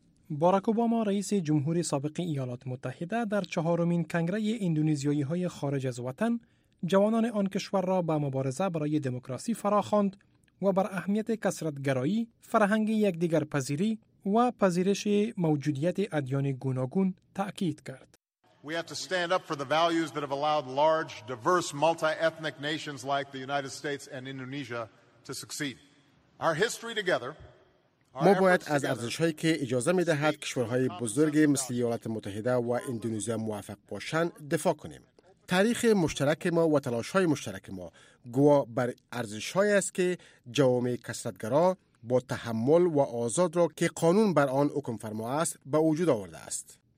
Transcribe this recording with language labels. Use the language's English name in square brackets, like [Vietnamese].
[Persian] باراک اوباما رئیس جمهور سابق ایالات متحده در چهارمین کنگره اندونزیایی های خارج از وطن جوانان آن کشور را به مبارزه برای دموکراسی فراخواند و بر اهمیت کثرت‌گرایی، فرهنگ یکدیگر پذیری و پذیرش موجودیت ادیان گوناگون تأکید کرد. [English] We have to stand up for the values that have allowed large, diverse, multi-ethnic nations like the United States and Indonesia to succeed. [Persian] ما باید از ارزش‌هایی که اجازه می‌دهد کشورهای بزرگ مثل ایالات متحده و اندونزی موافق باشند دفاع کنیم. تاریخ مشترک ما و تلاش‌های مشترک ما گواه بر ارزش‌هایی است که جوامع کثرت‌گرا با تحمل و آزاد را که قانون بر آن حکم فرما است به وجود آورده است.